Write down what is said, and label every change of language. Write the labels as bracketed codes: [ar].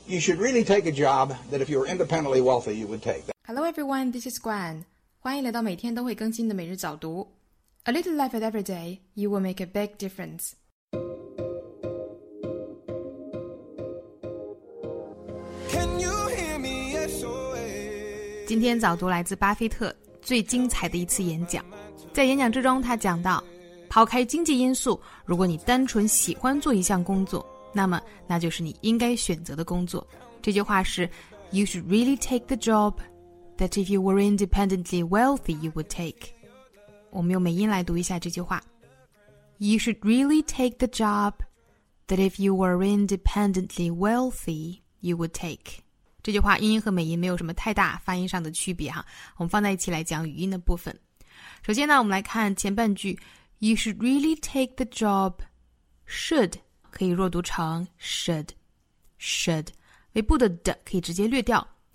[en] You should really take a job that if you were independently wealthy, you would take. Hello everyone, this is Gwen. [zh] 欢迎来到每天都会更新的每日早读。 [en] A little effort every day, you will make a big difference. Can you hear me? Yes, away. [zh] 今天早读来自巴菲特最精彩的一次演讲。在演讲之中他讲到，抛开经济因素，如果你单纯喜欢做一项工作，那么那就是你应该选择的工作。这句话是 [en] You should really take the job that if you were independently wealthy you would take. [zh] 我们用美音来读一下这句话。 [en] You should really take the job that if you were independently wealthy you would take. [zh] 这句话英音和美音没有什么太大发音上的区别哈，我们放在一起来讲语音的部分。首先呢，我们来看前半句， [en] You should really take the job. [zh] Should 可以弱读成 should, should. 尾部的 d 可以直接略掉。